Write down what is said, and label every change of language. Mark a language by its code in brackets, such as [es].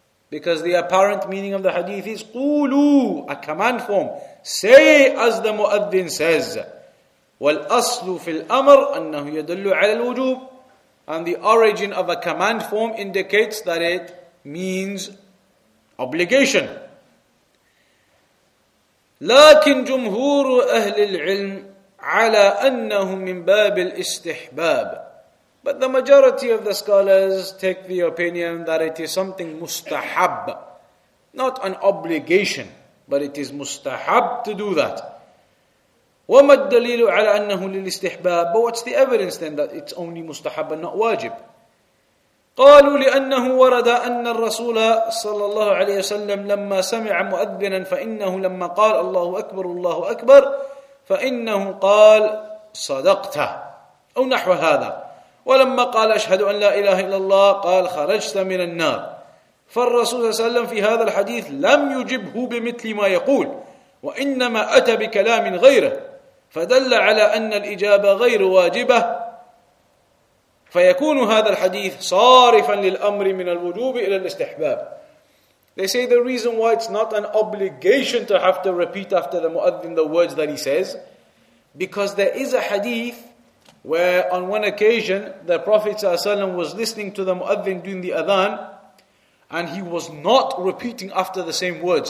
[en] Because the apparent meaning of the hadith is قولوا, a command form. Say as the muadhin says. [ar] وَالْأَصْلُ فِي الْأَمْرِ أَنَّهُ يَدُلُّ عَلَى الْوُجُوبِ. [en] And the origin of a command form indicates that it means obligation. [ar] لَكِنْ جُمْهُورُ أَهْلِ الْعِلْمِ على أنه من باب الاستحباب. [en] But the majority of the scholars take the opinion that it is something mustahab, not an obligation, but it is mustahab to do that. [ar] وما الدليل على أنه للاستحباب? [en] But what's the evidence then that it's only mustahab and not wajib? [ar] قالوا لأنه ورد أن الرسول صلى الله عليه وسلم لما سمع مؤذنا فإنه لما قال الله أكبر الله أكبر فَإِنَّهُ قَالْ صَدَقْتَ أو نحو هذا. ولما قال أشهد أن لا إله إلا الله قال خرجت من النار. فالرسول صلى الله عليه وسلم في هذا الحديث لم يجبه بمثل ما يقول, وإنما أتى بكلام غيره, فدل على أن الإجابة غير واجبة, فيكون هذا الحديث صارفا للأمر من الوجوب إلى الاستحباب. [en] They say the reason why it's not an obligation to have to repeat after the muadhin the words that he says, because there is a hadith where on one occasion the Prophet ﷺ was listening to the muadhin doing the adhan and he was not repeating after the same words.